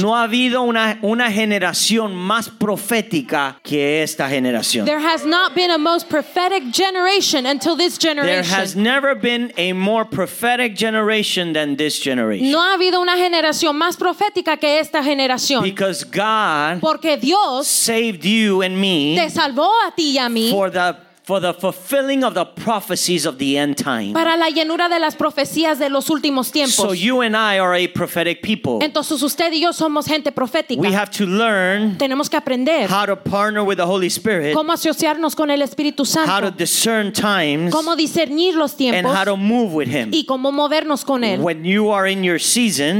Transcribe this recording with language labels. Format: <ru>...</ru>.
<es>No ha habido una generación más profética que esta generación.</es> <en>There has not been a most prophetic generation until this generation. There has never been a more prophetic generation than this generation.</en> <es>No ha habido una generación más profética que esta generación.</es> <en>Because God,</en> <es>porque Dios,</es> <en>saved you and me,</en> <es>te salvó a ti y a mí,</es> <en>for the fulfilling of the prophecies of the end time.</en> <es>Para la llenura de las profecías de los últimos tiempos.</es> <en>So you and I are a prophetic people.</en> <es>Entonces usted y yo somos gente profética.</es> <en>We have to learn,</en> <es>tenemos que aprender,</es> <en>how to partner with the Holy Spirit.</en> <es>Cómo asociarnos con el Espíritu Santo.</es> <en>How to discern times.</en> <es>Cómo discernir los tiempos.</es> <en>And how to move with him.</en> <es>Y cómo movernos con él.</es> <en>When you are in your season,</en>